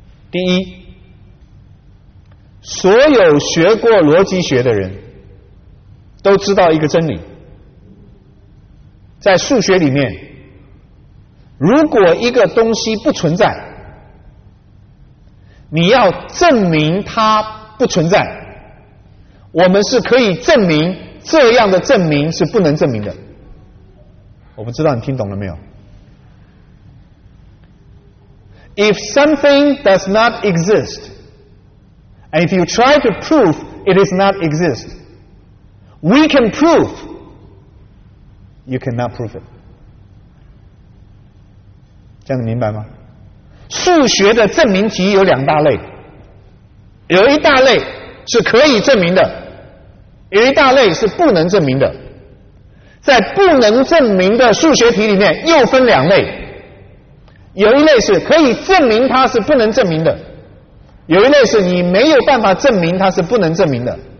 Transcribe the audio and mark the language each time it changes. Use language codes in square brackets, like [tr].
[zh] 第一，所有学过逻辑学的人都知道一个真理，在数学里面，如果一个东西不存在，你要证明它不存在，我们是可以证明，这样的证明是不能证明的。我不知道你听懂了没有。 [en] If something does not exist and if you try to prove it is not exist, we can prove you cannot prove it. [zh] 这样你明白吗？数学的证明题有两大类，有一大类是可以证明的，有一大类是不能证明的。在不能证明的数学题里面又分两类，有一类是可以证明它是不能证明的，有一类是你没有办法证明它是不能证明的。